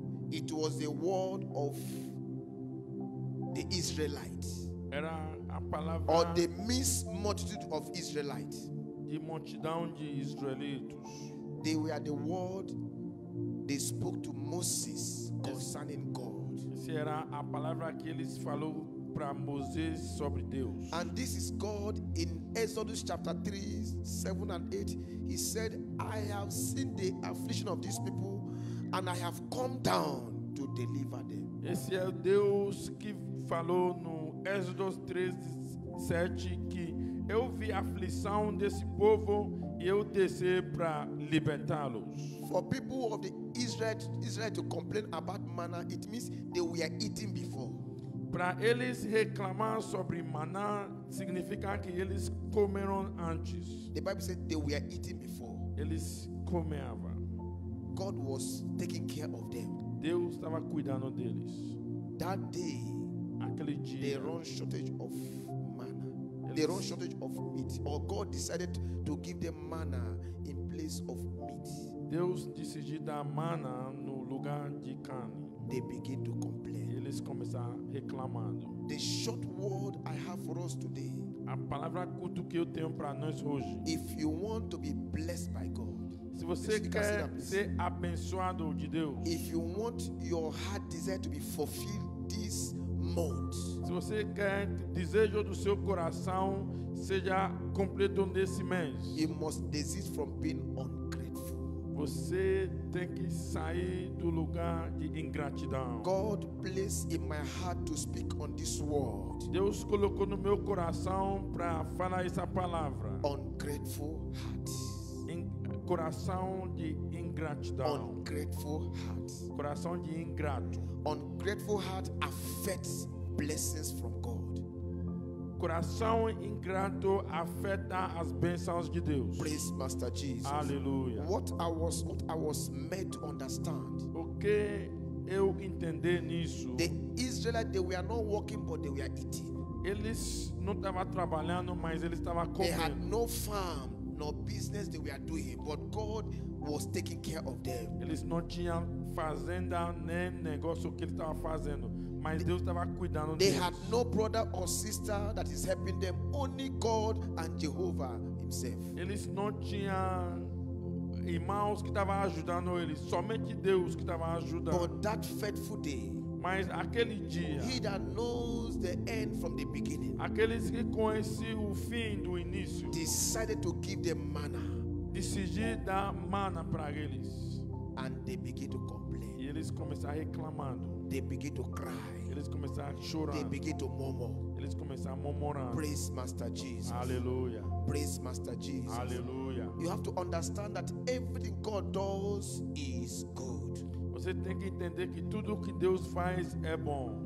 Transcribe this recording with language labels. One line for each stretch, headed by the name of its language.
English: It was the word of the Israelites.
Portuguese: Era a palavra,
English: or the mixed multitude of Israelites.
Portuguese: De multidão de israelitos.
English: They were the word they spoke to Moses concerning God.
Portuguese: Essa era a palavra que eles falou para Moisés sobre Deus.
English: And this is God in Exodus chapter 3, 7 and 8. He said, I have seen the affliction of these people and I have come down to deliver them.
Portuguese: Esse é Deus que falou no Exodus 3, 7, que eu vi a aflição desse povo e eu desci para libertá-los.
English: For people of the Israel to complain about manna, it means they were eating before.
Portuguese: Para eles reclamar sobre maná significa que eles comeram antes.
English: The Bible said they were eating before.
Portuguese: Eles comeram.
English: God was taking care of them.
Portuguese: Deus estava cuidando deles.
English: That day,
Portuguese: aquele dia,
English: they run shortage of manna. They run shortage of meat. Or God decided to give them manna in place of meat.
Portuguese: Deus decidiu dar manna no lugar de carne.
English: They begin to complain.
Portuguese: Eles começaram reclamando.
English: The short word I have for us today.
Portuguese: A palavra curta que eu tenho para nós hoje.
English: If you want to be blessed by God.
Portuguese: Se você quer ser abençoado de Deus.
English: If you want your heart desire to be fulfilled this month.
Portuguese: Se você quer desejo do seu coração seja completo nesse mês.
English: You must desist from being ungrateful.
Portuguese: Você tem que sair do lugar de ingratidão.
English: God placed in my heart to speak on this word.
Portuguese: Deus colocou no meu coração para falar essa palavra.
English: Ungrateful hearts.
Portuguese: Coração de ingratidão.
English: Ungrateful hearts.
Portuguese: Coração de ingrato.
English: Ungrateful heart affects blessings from God.
Portuguese: Coração ingrato afeta as bênçãos de Deus.
English: Praise Master Jesus. Hallelujah. What I was meant to understand.
Portuguese: O que eu entendi nisso?
English: The Israelites, they were not working, but they were eating.
Portuguese: Eles não estavam trabalhando, mas eles estavam comendo.
English: They had no farm, no business they were doing, but God was taking care of them.
Portuguese: Eles não tinham fazenda nem negócio que eles estavam fazendo. Mas Deus estava cuidando deles.
English: They had no brother or sister that is helping them. Only God and Jehovah himself.
Portuguese: Eles não tinham irmãos que estavam ajudando eles. Somente Deus que estava ajudando.
English: But that fateful day.
Portuguese: Mas aquele dia.
English: He that knows the end from the beginning.
Portuguese: Aqueles que conheciam o fim do início.
English: Decided to give them manna.
Portuguese: Decidir dar manna para eles.
English: And they begin to complain.
Portuguese: E eles começaram reclamando.
English: They begin to cry.
Portuguese: Eles começaram chorar.
English: They begin to murmur.
Portuguese: Eles começaram murmurar.
English: Praise Master Jesus. Hallelujah. Praise Master Jesus. Hallelujah. You have to understand that everything God does is good.
Portuguese: Você tem que entender que tudo que Deus faz é bom.